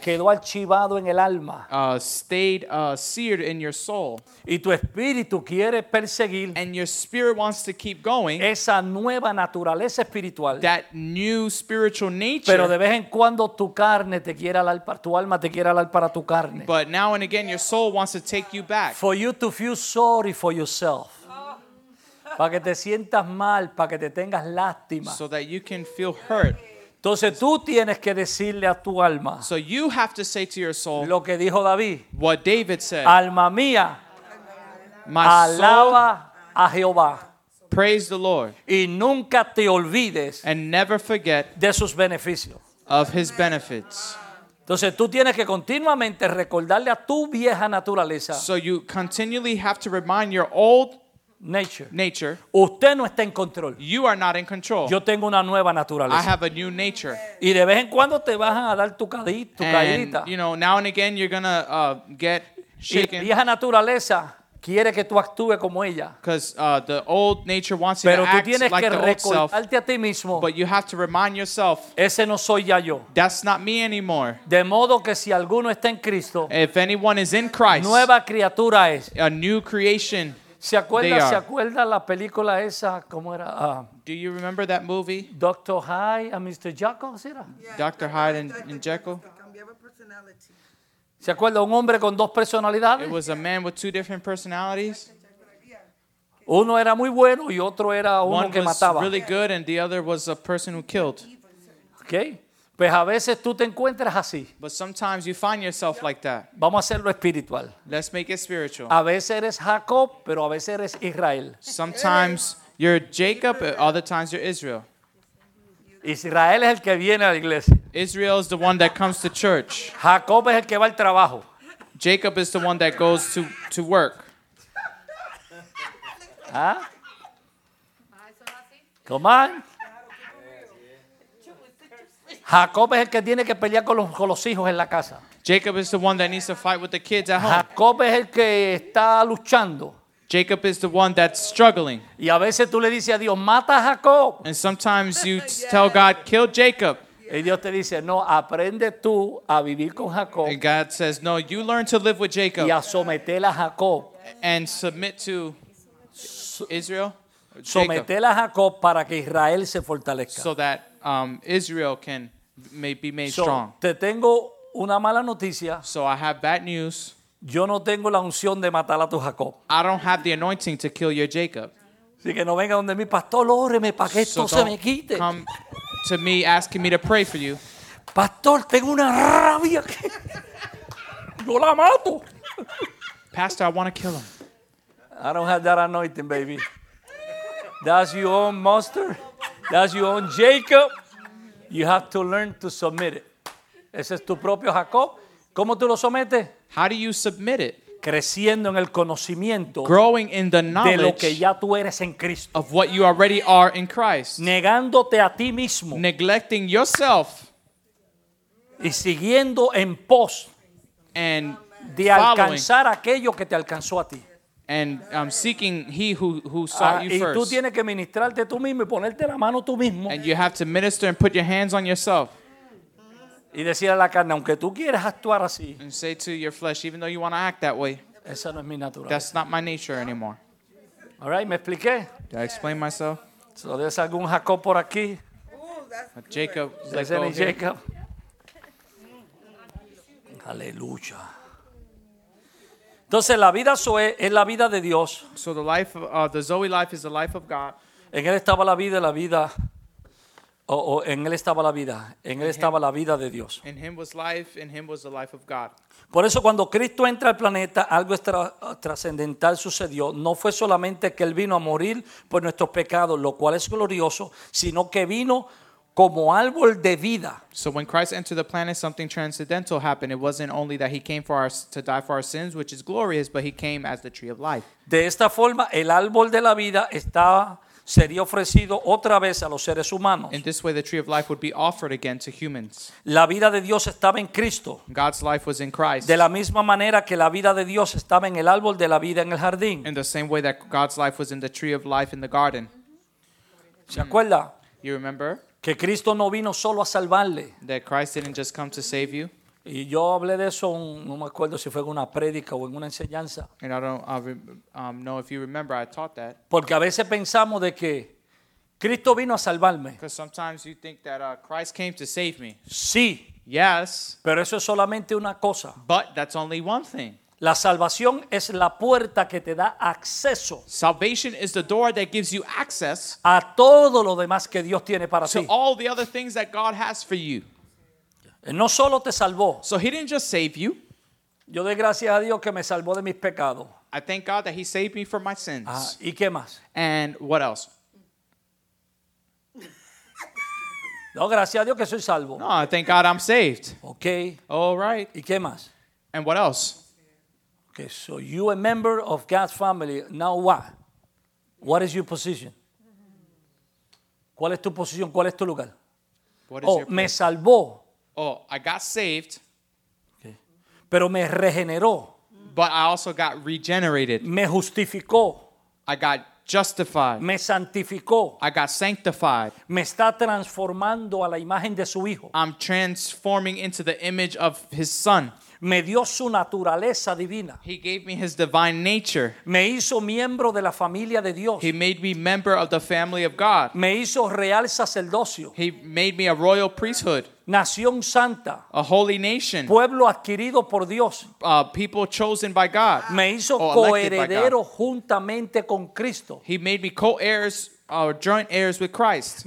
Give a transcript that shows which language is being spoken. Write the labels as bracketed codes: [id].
[es] Quedó archivado en el alma. [en] Stayed seared in your soul. [es] Y tu espíritu quiere perseguir. [en] And your spirit wants to keep going. [es] Esa nueva naturaleza espiritual. [en] That new spiritual nature. [es] Pero de vez en cuando tu carne te quiere alar para tu alma, te quiere alar para tu carne. [en] But now and again your soul wants to take you back. For you to feel sorry for yourself. [es] Para que te sientas mal, para que te tengas lástima. [en] So that you can feel hurt. [es] Entonces tú tienes que decirle a tu alma. [en] So you have to say to your soul. [es] Lo que dijo David. [en] What David said. [es] Alma mía. [en] My soul. [es] Alaba a Jehová. [en] Praise the Lord. [es] Y nunca te olvides. [en] And never forget. [es] De sus beneficios. [en] Of his benefits. [es] Entonces tú tienes que continuamente recordarle a tu vieja naturaleza. [en] So you continually have to remind your old nature. [es] Usted no está en control. [en] You are not in control. [es] Yo tengo una nueva naturaleza. [en] I have a new nature. [es] Y de vez en cuando te vas a dar tu caída. [en] And you know, now and again you're gonna get shaken. [es] Y vieja naturaleza quiere que tú actúe como ella. [en] Because the old nature wants [es] pero [en] you to act like the old self. [es] Pero tú tienes que recordarte a ti mismo. [en] But you have to remind yourself. [es] Ese no soy ya yo. [en] That's not me anymore. [es] De modo que si alguno está en Cristo, [en] if anyone is in Christ, [es] nueva criatura es. [en] A new creation. [es] ¿Se acuerda la película esa? ¿Cómo era? [en] Do you remember that movie? [es] Dr. Hyde and Mr. Jekyll, ¿sí era? [en] Yeah, Dr. Hyde and Jekyll. [es] Cambiaba personality. ¿Se acuerda un hombre con dos personalidades? [en] It was a man with two different personalities. [es] Uno era muy bueno y otro era uno que mataba. [en] One was really good and the other was a person who killed. [es] Okay. Pues a veces tú te encuentras así. [en] But sometimes you find yourself like that. [es] Vamos a hacerlo espiritual. [en] Let's make it spiritual. [es] A veces eres Jacob, pero a veces eres Israel. [en] Sometimes you're Jacob, other times you're Israel. [es] Israel es el que viene a la iglesia. [en] Israel is the one that comes to church. [es] Jacob es el que va al trabajo. [en] Jacob is the one that goes to work. [es] ¿Ah? [en] Come on. [es] Jacob es el que tiene que pelear con los hijos en la casa. [en] Jacob is the one that needs to fight with the kids at home. [es] Jacob es el que está luchando. [en] Jacob is the one that's struggling. [es] Y a veces tú le dices a Dios, mata a Jacob. [en] And sometimes you tell God, kill Jacob. [es] Y Dios te dice, no, aprende tú a vivir con Jacob. [en] And God says, no, you learn to live with Jacob. [es] Y a someter a Jacob. [en] And submit to Israel. [es] Someter a Jacob para que Israel se fortalezca. [en] So that Israel can may be made strong. [es] Te tengo una mala noticia. [en] So I have bad news. [es] Yo no tengo la unción de matar a tu Jacob. [en] I don't have the anointing to kill your Jacob. [es] Así que no venga donde mi pastor, óreme para que esto se me quite. [en] So don't come to me asking me to pray for you. [es] Pastor, tengo una rabia que yo la mato. [en] Pastor, I want to kill him. I don't have that anointing, baby. That's your own monster. That's your own Jacob. You have to learn to submit it. [es] Ese es tu propio Jacob. ¿Cómo tú lo sometes? [en] How do you submit it? [es] Creciendo en el conocimiento. [en] Growing in the knowledge. [es] De lo que ya tú eres en Cristo. [en] Of what you already are in Christ. [es] Negándote a ti mismo. [en] Neglecting yourself. [es] Y siguiendo en pos. [en] And [es] de alcanzar aquello que te alcanzó a ti. [en] And I'm seeking he who sought you [es] y [en] first. [es] Tú tienes que ministrarte tú mismo y ponerte la mano tú mismo. [en] And you have to minister and put your hands on yourself. [es] Y decir a la carne, aunque tú quieras actuar así. [en] And say to your flesh, even though you want to act that way. [es] Esa no es mi naturaleza. [en] That's not my nature anymore. [es] All right, ¿me expliqué? [en] Did I explain myself? So there's algún Jacob por aquí. Jacob. Is there any Jacob? [es] Aleluya. Entonces la vida Zoe es la vida de Dios. [en] So the life of, the Zoe life is the life of God. [es] En él estaba la vida en él estaba la vida, en él estaba la vida de Dios. [en] In him was life, in him was the life of God. [es] Por eso cuando Cristo entra al planeta, algo trascendental sucedió. No fue solamente que él vino a morir por nuestros pecados, lo cual es glorioso, sino que vino como árbol de vida. [en] So when Christ entered the planet, something transcendental happened. It wasn't only that he came for us to die for our sins, which is glorious, but he came as the tree of life. [es] De esta forma, el árbol de la vida estaba sería ofrecido otra vez a los seres humanos. [en] In this way, the tree of life would be offered again to humans. [es] La vida de Dios estaba en Cristo. [en] God's life was in Christ. [es] De la misma manera que la vida de Dios estaba en el árbol de la vida en el jardín. [en] In the same way that God's life was in the tree of life in the garden. [es] ¿Se acuerda? [en] You remember? [es] Que Cristo no vino solo a salvarle. [en] That Christ didn't just come to save you. [es] Y yo hablé de eso, no me acuerdo si fue en una prédica o en una enseñanza. [en] And I don't know if you remember, I taught that. [es] Porque a veces pensamos de que Cristo vino a salvarme. [en] Because sometimes you think that Christ came to save me. [es] Sí. [en] Yes. [es] Pero eso es solamente una cosa. [en] But that's only one thing. [es] La salvación es la puerta que te da acceso. [en] Salvation is the door that gives you access. [es] A todo lo demás que Dios tiene para ti. [en] To all the other things that God has for you. [es] No solo te salvó. [en] So he didn't just save you. [es] Yo doy gracias a Dios que me salvó de mis pecados. [en] I thank God that he saved me from my sins. [es] ¿Y qué más? [en] And what else? [es] No, gracias a Dios que soy salvo. [en] No, I thank God I'm saved. [es] Okay. [en] All right. [es] ¿Y qué más? [en] And what else? Okay, so you a member of God's family. Now what? What is your position? [es] ¿Cuál es tu posición? ¿Cuál es tu lugar? [en] What is oh, your [es] me salvó. [en] Oh, I got saved. [es] Okay. Pero me regeneró. [en] But I also got regenerated. [es] Me justificó. [en] I got justified. [es] Me santificó. [en] I got sanctified. [es] Me está transformando a la imagen de su hijo. [en] I'm transforming into the image of his son. [es] Me dio su naturaleza divina. [en] He gave me his divine nature. [es] Me hizo miembro de la familia de Dios. [en] He made me member of the family of God. [es] Me hizo real sacerdocio. [en] He made me a royal priesthood. [es] Nación santa. [en] A holy nation. [es] Pueblo adquirido por Dios. [en] People chosen by God. [es] Me hizo coheredero juntamente con Cristo. [en] He made me co-heirs or joint heirs with Christ.